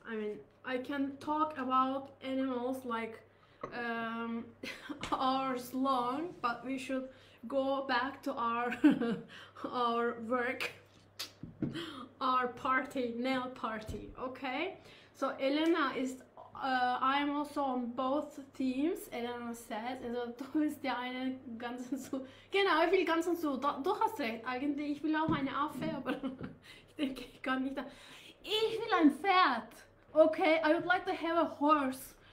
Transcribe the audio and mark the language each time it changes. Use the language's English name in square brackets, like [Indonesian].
[English] I mean, I can talk about animals like hours long, but we should go back to our our work, our party, nail party. Okay, so Elena is I am also on both teams. Elena says, [German] also du bist ja eine ganzen zu, genau, ich will ganzen zu, du hast recht, eigentlich ich will auch eine Affe, aber ich denke ich kann nicht, ich will ein Pferd. [English] Okay, I would like to have a horse.